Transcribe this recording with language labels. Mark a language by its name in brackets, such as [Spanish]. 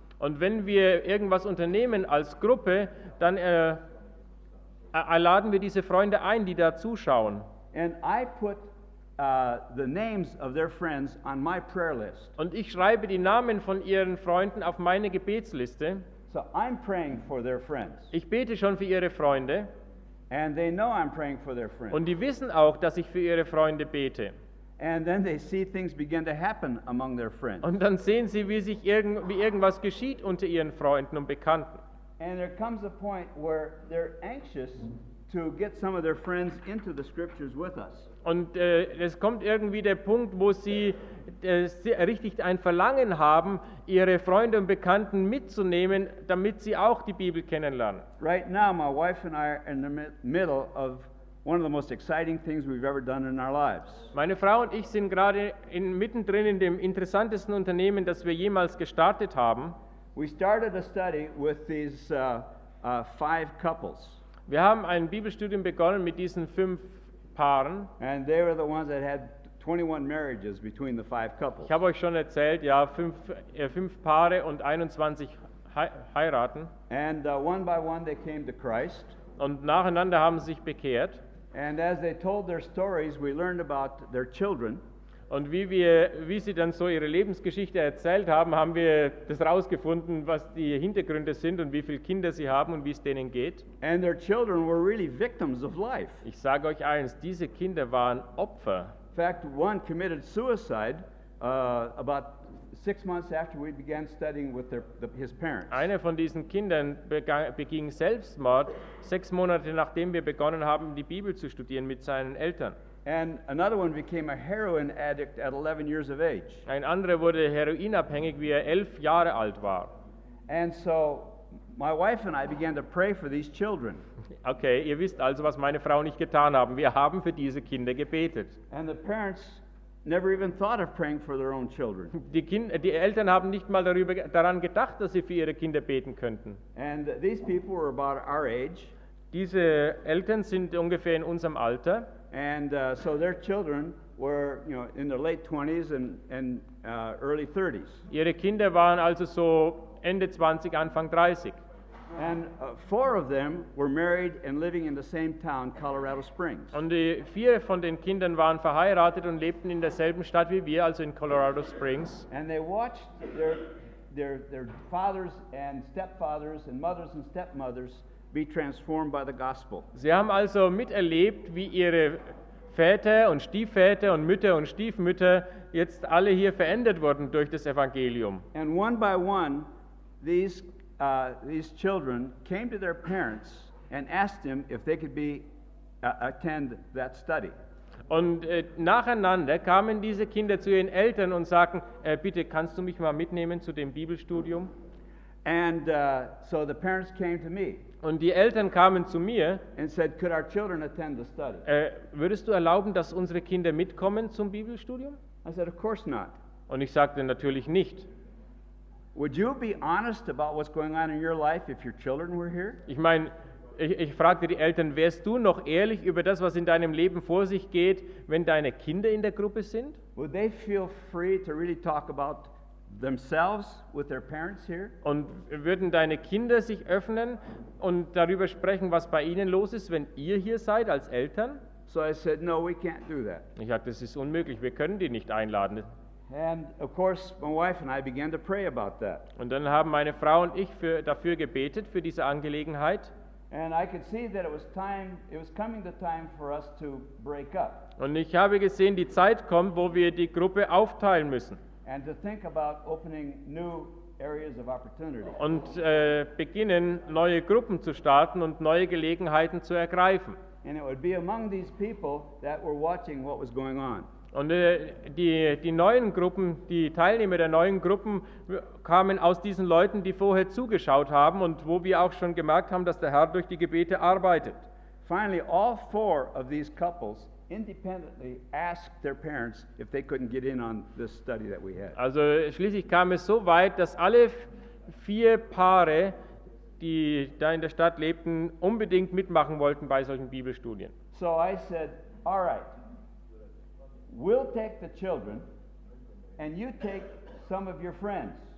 [German] Und wenn wir irgendwas unternehmen als Gruppe, dann laden wir diese Freunde ein, die da zuschauen. [English] And I put the names of their friends on my prayer list. [German] Und ich schreibe die Namen von ihren Freunden auf meine Gebetsliste. [English] So I'm praying for their friends. [German] Ich bete schon für ihre Freunde. [English] And they know I'm praying for their friends. [German] Und die wissen auch, dass ich für ihre Freunde bete. [English] And then they see things begin to happen among their friends. [German] Und dann sehen sie, wie sich irgendwas geschieht unter ihren Freunden und Bekannten. [English] And there comes a point where they're anxious to get some of their friends into the scriptures with us. [German] Und es kommt irgendwie der Punkt, wo sie richtig ein Verlangen haben, ihre Freunde und Bekannten mitzunehmen, damit sie auch die Bibel kennenlernen. [English] Right now my wife and I are in the middle of one of the most exciting things we've ever done in our lives. [German] Meine Frau und ich sind gerade mittendrin in dem interessantesten Unternehmen, das wir jemals gestartet haben. [English] We started a study with these 5 couples. [German] Wir haben ein Bibelstudium begonnen mit diesen 5 Paaren. [English] And they were the ones that had 21 marriages between the 5 couples. [German] Ich habe euch schon erzählt, ja, 5 Paare und 21 heiraten. [English] And one by one they came to Christ. [German] Und nacheinander haben sie sich bekehrt. [English] And as they told their stories, we learned about their children. [German] Und wie sie dann so ihre Lebensgeschichte erzählt haben, haben wir das rausgefunden, was die Hintergründe sind und wie viele Kinder sie haben und wie es denen geht. [English] And their children were really victims of life. [German] Ich sage euch eins, diese Kinder waren Opfer. [English] In fact, one committed suicide about 6 months after we began studying with his parents. [German] Einer von diesen Kindern beging Selbstmord 6 Monate nachdem wir begonnen haben, die Bibel zu studieren mit seinen Eltern. [English] And another one became a heroin addict at 11 years of age. [German] Ein anderer wurde heroinabhängig, wie 11 Jahre alt war. [English] And so my wife and I began to pray for these children. [German] Okay, ihr wisst also, was meine Frau und ich getan haben. Wir haben für diese Kinder gebetet. [English] And the parents never even thought of praying for their own children. [German] Die Eltern haben nicht mal daran gedacht, dass sie für ihre Kinder beten könnten. [English] And these people were about our age. [German] Diese Eltern sind ungefähr in unserem Alter. [English] And so their children were, you know, in their late 20s and early 30s. [German] Ihre Kinder waren also so Ende 20, Anfang 30. [English] And 4 of them were married and living in the same town, Colorado Springs. [German] Und die 4 von den Kindern waren verheiratet und lebten in derselben Stadt wie wir, also in Colorado Springs. [English] And they watched their fathers and stepfathers and mothers and stepmothers be transformed by the gospel. [German] Sie haben also miterlebt, wie ihre Väter und Stiefväter und Mütter und Stiefmütter jetzt alle hier verändert wurden durch das Evangelium. [English] And one by one, these children came to their parents and asked them if they could attend that study. [German] Und nacheinander kamen diese Kinder zu ihren Eltern und sagten, bitte, kannst du mich mal mitnehmen zu dem Bibelstudium? [English] And so the parents came to me. [German] Und die Eltern kamen zu mir [English] and said, could our children attend the study? [German] Würdest du erlauben, dass unsere Kinder mitkommen zum Bibelstudium? [English] I said, of course not. [German] Und ich sagte, natürlich nicht. [English] Would you be honest about what's going on in your life if your children were here? [German] Ich meine, ich fragte die Eltern, wärst du noch ehrlich über das, was in deinem Leben vor sich geht, wenn deine Kinder in der Gruppe sind? [English] Would they feel free to really talk about themselves with their parents here? [German] Und würden deine Kinder sich öffnen und darüber sprechen, was bei ihnen los ist, wenn ihr hier seid als Eltern? [English] So I said, no, we can't do that. [German] Ich sagte, das ist unmöglich, wir können die nicht einladen. [English] And of course my wife and I began to pray about that. [German] Und dann haben meine Frau und ich dafür gebetet für diese Angelegenheit. [English] And I could see that it was coming the time for us to break up. [German] Und ich habe gesehen, die Zeit kommt, wo wir die Gruppe aufteilen müssen. [English] And to think about opening new areas of opportunity. [German] Und beginnen neue Gruppen zu starten und neue Gelegenheiten zu ergreifen. [English] And it would be among these people that were watching what was going on. [German] Und die neuen Gruppen, die Teilnehmer der neuen Gruppen kamen aus diesen Leuten, die vorher zugeschaut haben und wo wir auch schon gemerkt haben, dass der Herr durch die Gebete arbeitet. [English] Finally, all four of these couples independently asked their parents if they couldn't get in on this study that we had. [German] Also schließlich kam es so weit, dass alle vier Paare, die da in der Stadt lebten, unbedingt mitmachen wollten bei solchen Bibelstudien. [English] So I said, all right. We'll take the children and you take some of your friends.